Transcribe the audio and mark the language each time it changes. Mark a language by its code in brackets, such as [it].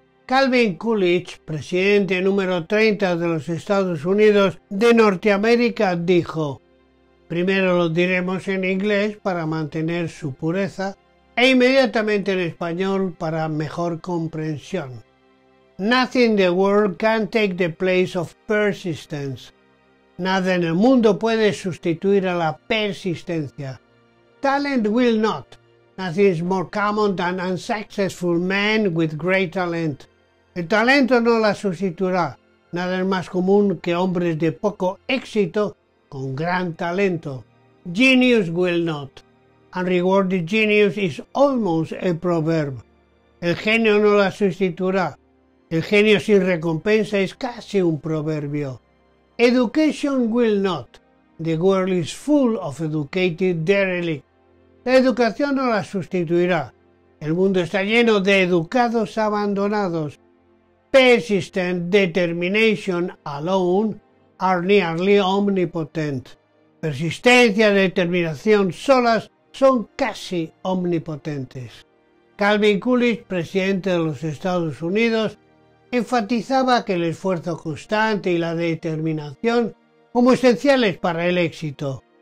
[es] Calvin Coolidge, presidente número 30 de los Estados Unidos de Norteamérica, dijo: primero lo diremos en inglés para mantener su pureza, e inmediatamente en español para mejor comprensión. [en] Nothing in the world can take the place of persistence. [es] Nada en el mundo puede sustituir a la persistencia. [en] Talent will not. Nothing is more common than unsuccessful men with great talent. [es] El talento no la sustituirá. Nada es más común que hombres de poco éxito con gran talento. [en] Genius will not. Unrewarded genius is almost a proverb. [es] El genio no la sustituirá. El genio sin recompensa es casi un proverbio. [en] Education will not. The world is full of educated derelicts. [es] La educación no la sustituirá. El mundo está lleno de educados abandonados. [en] Persistent determination alone are nearly omnipotent. [es] Persistencia y determinación solas son casi omnipotentes. Calvin Coolidge, presidente de los Estados Unidos, enfatizaba que el esfuerzo constante y la determinación como esenciales para el éxito.